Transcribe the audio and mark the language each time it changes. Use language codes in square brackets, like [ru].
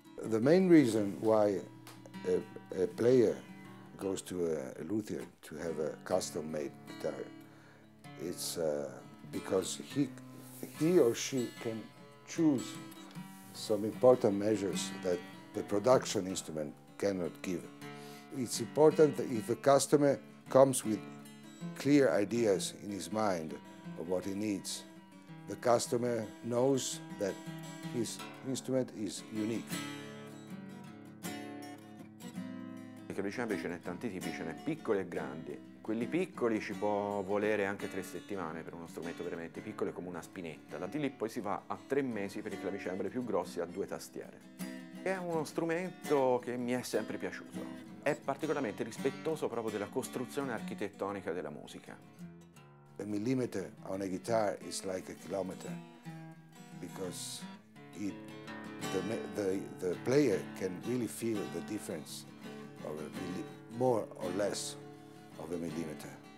[en] The main reason why a player goes to a luthier to have a custom made guitar is because he or she can choose some important measures that the production instrument cannot give. It's important that if a customer comes with clear ideas in his mind of what he needs, the customer knows that his instrument is unique. [it] I clavicembali ce n'è tanti tipi, ce n'è piccoli e grandi. Quelli piccoli ci può volere anche 3 settimane per uno strumento veramente piccolo, è come una spinetta. Da lì poi si va a 3 mesi per i clavicembali più grossi a 2 tastiere. È uno strumento che mi è sempre piaciuto. È particolarmente rispettoso proprio della costruzione architettonica della musica. [en] A millimeter on a guitar is like a kilometer because it, the player can really feel the difference of a more or less of a millimeter.